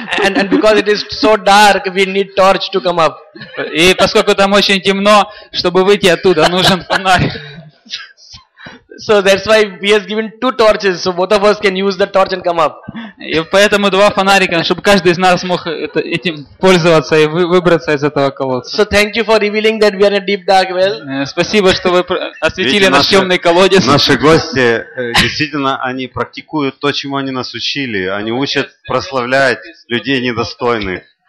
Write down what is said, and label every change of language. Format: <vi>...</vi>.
<en>And because it is so dark, we need torch to come up.</en> <ru>И поскольку там очень темно, чтобы выйти оттуда, нужен фонарь.</ru> <en>So that's why he has given two torches, so both of us can use the torch and come up.</en> <ru>И поэтому два фонарика, чтобы каждый из нас мог этим пользоваться и выбраться из этого колодца.</ru> <en>So thank you for revealing that we are in a deep dark well.</en> <ru>Спасибо, что вы осветили наш темный колодец. Наши гости, действительно, они практикуют то, чему они нас учили. Они учат прославлять людей недостойных.</ru>